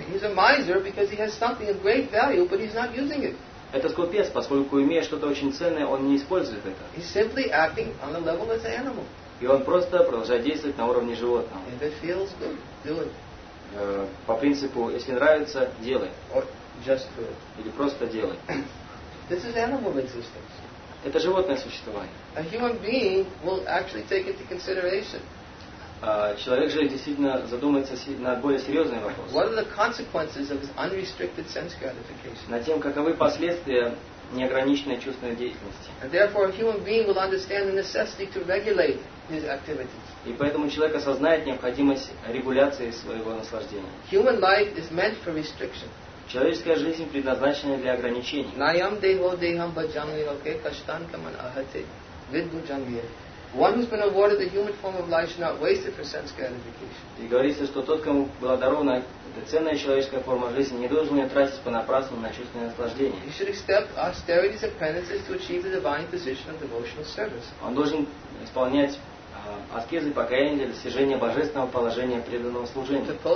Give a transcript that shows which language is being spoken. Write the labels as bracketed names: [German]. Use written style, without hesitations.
[English] He's a miser because he has something of great value, but he's not using it. [Russian] Это скупец, поскольку имея что-то очень ценное, он не использует это. [English] He's simply acting on the level as an animal. [Russian] И он просто продолжает действовать на уровне животного. [English] If it feels good, do it. [Russian] По принципу, если нравится, делай. [English] Or just do it. [Russian] Или просто делай. [English] This is animal existence. [Russian] Это животное существование. [English] A human being will actually take into consideration. [Russian] Человек же действительно задумается над более серьезными вопросами. [English] What are the consequences of his unrestricted sense gratification? [Russian] Над тем, каковы последствия неограниченной чувственной деятельности. [English] And therefore, a human being will understand the necessity to regulate his activities. [Russian] И поэтому человек осознает необходимость регуляции своего наслаждения. [English] Human life is meant for restriction. [Russian] Человеческая жизнь предназначена для ограничений. [Sanskrit] Nayam deho deham bhajami loke kashtan kaman ahate vidbu jangir. [English] One who's been awarded the human form of life should not waste it for sense gratification. [Russian] И говорится, что тот, кому была дарована эта ценная человеческая форма жизни, не должен ее тратить понапрасну на чувственное наслаждение. [English] He should accept austerities and penances to achieve the divine position of devotional service. [Russian] Он должен исполнять аскезы и покаяния для достижения божественного положения преданного служения.